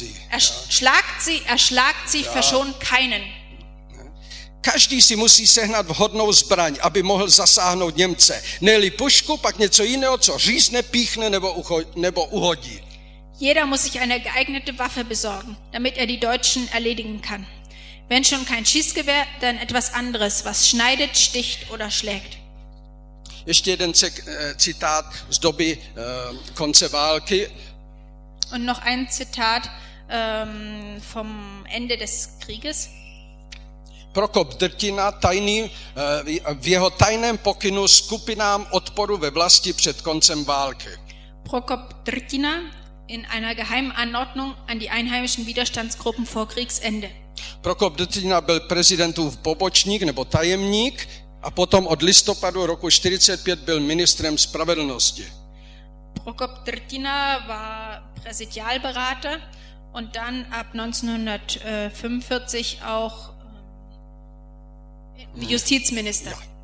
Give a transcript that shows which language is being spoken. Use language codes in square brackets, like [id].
[de] Erschlagt sie, verschont keinen. [cs] Každý si musí sehnat vhodnou zbraň, aby mohl zasáhnout Němce. Ne-li pušku, pak něco jiného, co řízne, píchne nebo uhodí. [de] Jeder muss sich eine geeignete Waffe besorgen, damit die Deutschen erledigen kann. Wenn schon kein Schießgewehr, dann etwas anderes, was schneidet, sticht oder schlägt. [cs] Ještě jeden citát z doby konce války. [de] Und noch ein Zitat vom Ende des Krieges. [cs] Prokop Drtina tajný, v jeho tajném pokynu skupinám odporu ve vlasti před koncem války. [de] Prokop Drtina in einer geheimen Anordnung an die einheimischen Widerstandsgruppen vor Kriegsende. [cs] Prokop Drtina byl prezidentův pobočník nebo tajemník a potom od listopadu roku 45 byl ministrem spravedlnosti. [de] Prokop Drtina war Präsidialberater und dann ab 1945 auch Justizminister.